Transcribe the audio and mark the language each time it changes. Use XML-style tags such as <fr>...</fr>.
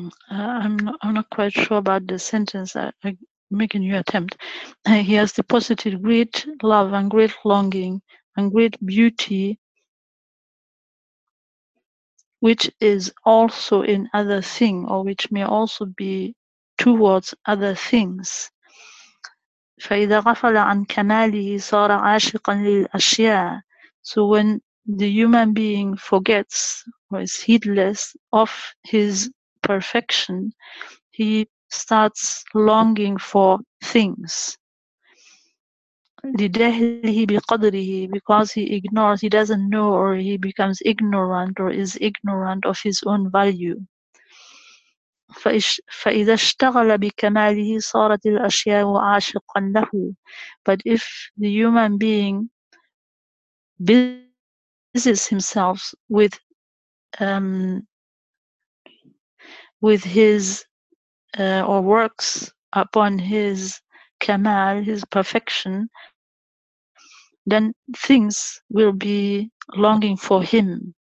<en>I'm not quite sure about the sentence. I'm making a new attempt. He has deposited great love and great longing and great beauty, which is also in other thing, or which may also be towards other things.</en> <ar>فإذا غفل عن كماله صار عاشقا للأشياء.</ar> <en>So when the human being forgets or is heedless of his perfection, he starts longing for things.</en> <ar>لجهله بقدره,</ar> <en>because he ignores, he doesn't know, or he becomes ignorant or is ignorant of his own value.</en> <ar>فإذا اشتغل بكماله صارت الأشياء عاشقا له.</ar> <en>But if the human being busies himself with his or works upon his kamal, his perfection, then things will be longing for him.</en>